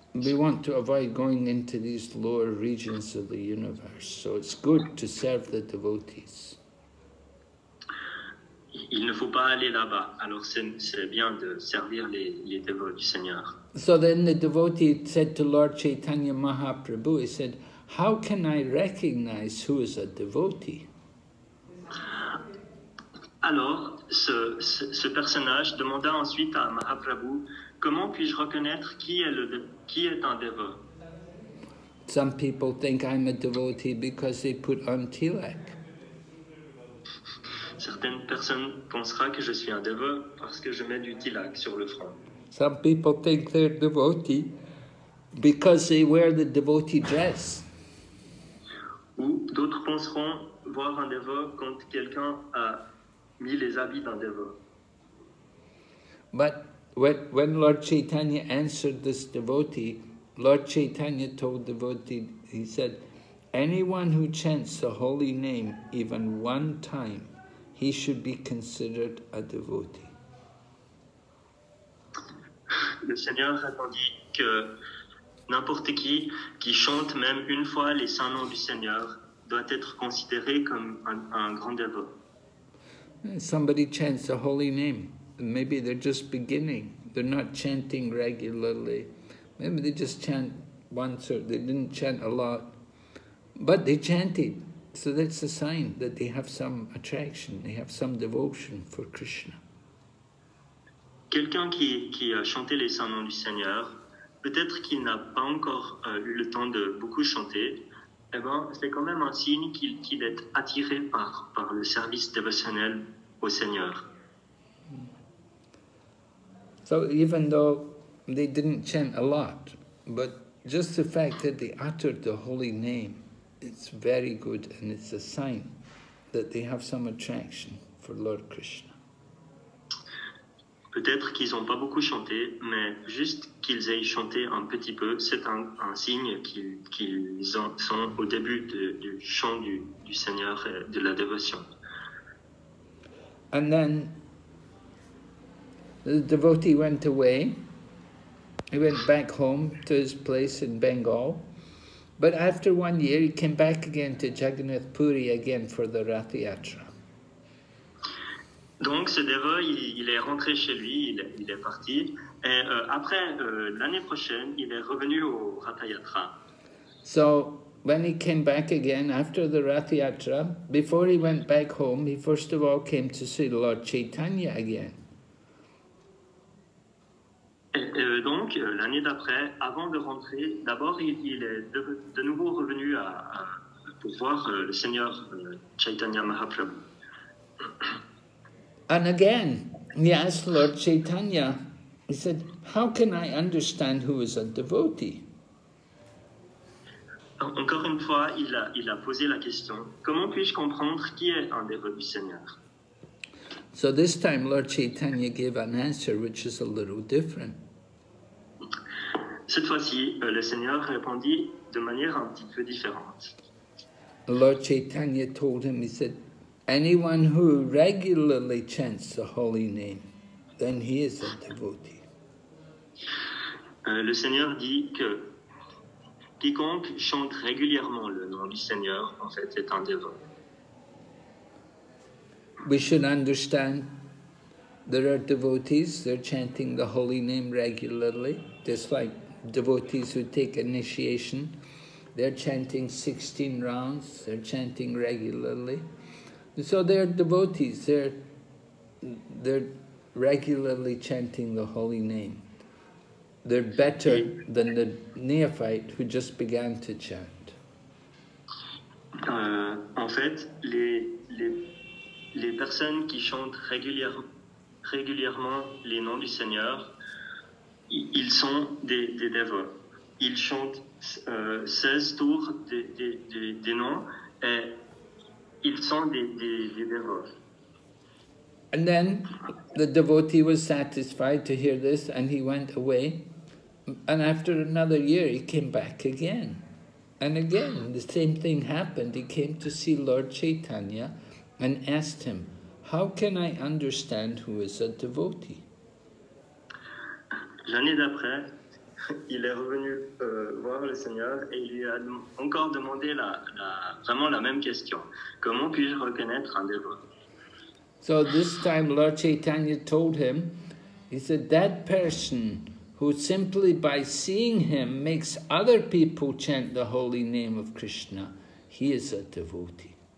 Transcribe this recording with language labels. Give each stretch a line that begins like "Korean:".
English: We want to avoid going into these lower regions of the universe, so it's good to serve the devotees.
French: Il ne faut pas aller là-bas, alors c'est bien de servir les dévots du Seigneur.
English: So then the devotee said to Lord Chaitanya Mahaprabhu, he said, how can I recognize who is a devotee?
French: Alors, ce personnage demanda ensuite à Mahaprabhu, comment puis-je reconnaître qui est un dévot?
English: Some people think I'm a devotee because they put on tilak.
French: Certaines personnes penseront que je suis un dévot parce que je mets du tilak sur le front.
English: Some people think they're devotee because they wear the devotee dress.
French: Ou d'autres penseront voir un dévot quand quelqu'un a mis les habits d'un dévot.
English: But when Lord Chaitanya answered this devotee, Lord Chaitanya told the devotee, he said, anyone who chants the holy name even one time, he should be considered a devotee.
French: Le Seigneur répondit que n'importe qui chante même une fois les saints noms du Seigneur doit être considéré comme un grand dévot.
English: Somebody chants a holy name. Maybe they're just beginning. They're not chanting regularly. Maybe they just chant once or they didn't chant a lot. But they chanted. So that's a sign that they have some attraction, they have some devotion for Krishna.
French: Quelqu'un qui a chanté les saints noms du Seigneur, peut-être qu'il n'a pas encore eu le temps de beaucoup chanter, eh ben, c'est quand même un signe qu'il est attiré par le service dévotionnel au Seigneur.
English: So even though they didn't chant a lot, but just the fact that they uttered the holy name, it's very good, and it's a sign that they have some attraction for Lord Krishna.
French: Peut-être qu'ils n'ont pas beaucoup chanté, mais juste qu'ils aient chanté un petit peu, c'est un signe qu'ils sont au début du chant du Seigneur, de la dévotion.
English: And then the devotee went away. He went back home to his place in Bengal. But after 1 year, he came back again to Jagannath Puri again for the Rath Yatra.
French: Donc, ce dévot, il est rentré chez lui, il est parti. Et après l'année prochaine, il est revenu au Rath Yatra.
English: So, when he came back again after the Rath Yatra, before he went back home, he first of all came to see Lord Chaitanya again.
French: Donc, l'année d'après, avant de rentrer, d'abord, il est de nouveau revenu pour voir le Seigneur Chaitanya Mahaprabhu.
English: And again, he asked Lord Chaitanya, he said, how can I understand who is a devotee?
French: Encore une fois, il a posé la question, comment puis-je comprendre qui est un dévot du Seigneur?
English: So this time, Lord Chaitanya gave an answer which is a little different.
French: Cette fois-ci, le Seigneur répondit de manière un petit peu différente.
English: Lord Chaitanya told him, he said, anyone who regularly chants the holy name, then he is a devotee.
French: Le Seigneur dit que quiconque chante régulièrement le nom du Seigneur, en fait, est un dévot.
English: We should understand there are devotees, they're chanting the holy name regularly, just like devotees who take initiation, they're chanting 16 rounds, they're chanting regularly. So they are devotees. They're regularly chanting the holy name. They're better than the neophyte who just began to chant.
French: En fait, les personnes qui chantent régulièrement les noms du Seigneur, ils sont des dévots. Ils chantent 16 tours des noms et ils sont des dévots.
English: And then the devotee was satisfied to hear this and he went away. And after another year, he came back again. And again, the same thing happened. He came to see Lord Chaitanya and asked him, how can I understand who is a devotee?
French: L'année d'après, il est revenu voir le Seigneur et il lui a encore demandé vraiment la même question. Comment puis-je reconnaître un dévot?
English: So this time Lord Chaitanya told him, he said, that person who simply by seeing him makes other people chant the holy name of Krishna, he is a devotee.